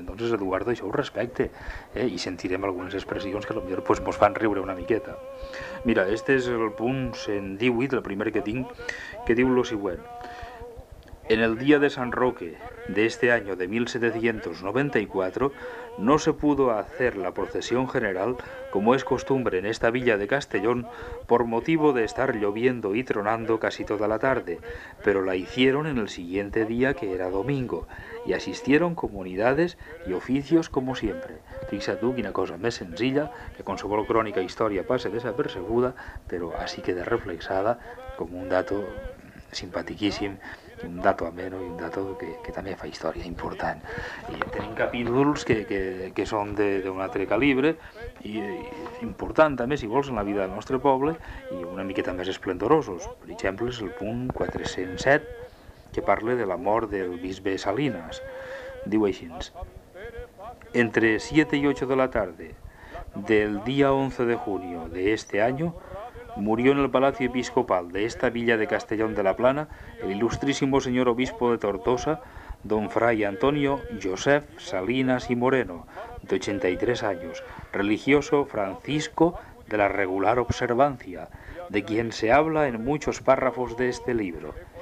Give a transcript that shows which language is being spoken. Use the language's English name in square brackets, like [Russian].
[Catalan] Entonces, Eduardo, això ho respecte, i sentirem algunes expressions que potser pues, mos fan riure una miqueta. Mira, este és el punt 118, el primer que tinc, que diu lo següent. [Spanish] En el día de San Roque de este año de 1794 no se pudo hacer la procesión general como es costumbre en esta villa de Castellón por motivo de estar lloviendo y tronando casi toda la tarde, pero la hicieron en el siguiente día que era domingo y asistieron comunidades y oficios como siempre. [Catalan] Fixa't tu quina cosa més senzilla, que qualsevol crònica i història passa desapercebuda, però així queda reflexada com un dato simpatiquíssim, un dato ameno i un dato que també fa història important. I tenim capítols que són d'un altre calibre i important també, si vols, en la vida del nostre poble i una miqueta més esplendorosos. Per exemple, és el punt 407 que parla de la mort del bisbe Salinas. [Spanish] Diu així: entre 7 i 8 de la tarde del dia 11 de junio de este año murió en el Palacio Episcopal de esta villa de Castellón de la Plana el ilustrísimo señor obispo de Tortosa, don Fray Antonio Josef Salinas y Moreno, de 83 años, religioso Francisco de la Regular Observancia, de quien se habla en muchos párrafos de este libro.